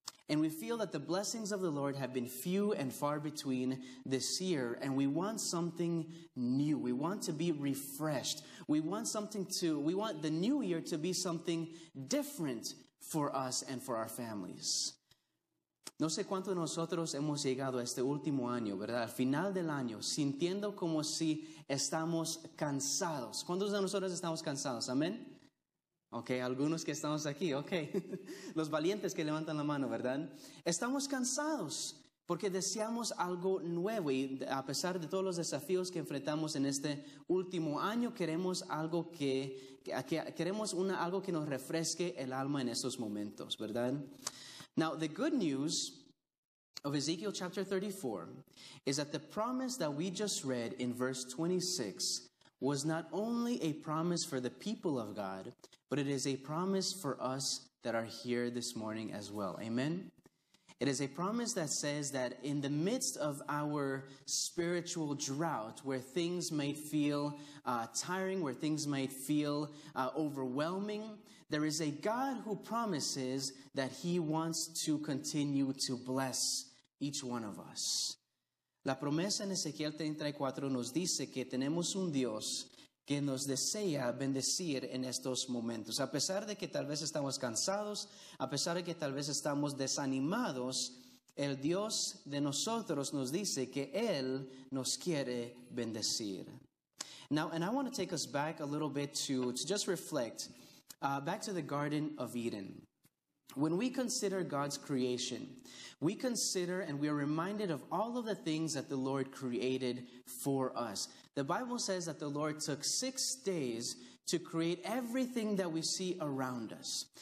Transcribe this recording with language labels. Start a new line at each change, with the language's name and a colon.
English: And we feel that the blessings of the Lord have been few and far between this year. And we want something new. We want to be refreshed. We want the new year to be something different for us and for our families.
Spanish: No sé cuánto de nosotros hemos llegado a este último año, ¿verdad? Al final del año, sintiendo como si estamos cansados. ¿Cuántos de nosotros estamos cansados? Amén. Okay, algunos que estamos aquí, okay. Los valientes que levantan la mano, ¿verdad? Estamos cansados porque deseamos algo nuevo y a pesar de todos los desafíos que enfrentamos en este último año, queremos algo algo que nos refresque el alma en esos momentos, ¿verdad?
English: Now, the good news of Ezekiel chapter 34 is that the promise that we just read in verse 26 was not only a promise for the people of God, but it is a promise for us that are here this morning as well. Amen? It is a promise that says that in the midst of our spiritual drought, where things might feel tiring, where things might feel overwhelming, there is a God who promises that He wants to continue to bless each one of us.
Spanish: La promesa en Ezequiel 34 nos dice que tenemos un Dios que nos desea bendecir en estos momentos. A pesar de que tal vez estamos cansados, a pesar de que tal vez estamos desanimados, el Dios de nosotros nos dice que Él nos quiere bendecir.
English: Now, and I want to take us back a little bit to just reflect back to the Garden of Eden. When we consider God's creation, we consider and we are reminded of all of the things that the Lord created for us. The Bible says that the Lord took 6 days to create everything that we see around us.